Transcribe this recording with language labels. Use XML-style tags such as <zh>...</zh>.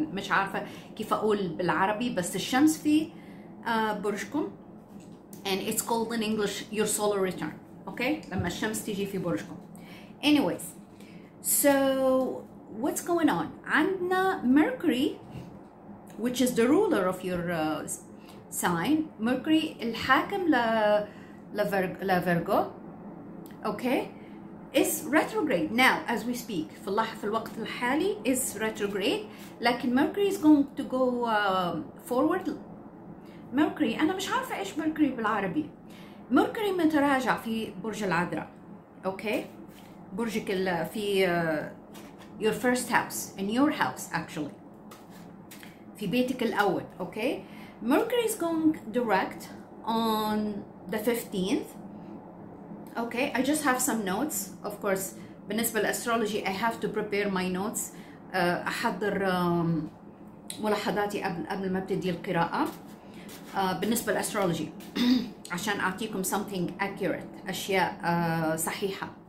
<ar>مش عارفة كيف أقول بالعربي، بس الشمس في برجكم.</ar> <en>And it's called in English your solar return.</en> <ar>Okay؟ لما الشمس تيجي في برجكم.</ar> <en>Anyways, so what's going on?</en> <ar>عندنا</ar> <en>Mercury which is the ruler of your sign.</en> <ar>Mercury الحاكم لفيرجو.</ar> <en>Okay، is retrograde now as we speak،</en> <ar>في الوقت الحالي</ar> <en>is retrograde،</en> <ar>لكن</ar> <en>Mercury is going to go forward.</en> <ar>Mercury، أنا مش عارفة إيش Mercury بالعربي. Mercury متراجع في برج العذراء.</ar> <en>Okay،</en> <ar>برجك في</ar> <en>your first house، in your house actually،</en> <ar>في بيتك الأول.</ar> <en>Okay، Mercury is going direct on the 15th. Okay، I just have some notes.</en> <ar>Of course بالنسبة للأسترولوجي</ar> <en>I have to prepare my notes،</en> <ar>أحضر ملاحظاتي قبل ما أبتدي القراءة بالنسبة للأسترولوجي عشان أعطيكم</ar> <en>something accurate،</en> <ar>أشياء صحيحة.</ar>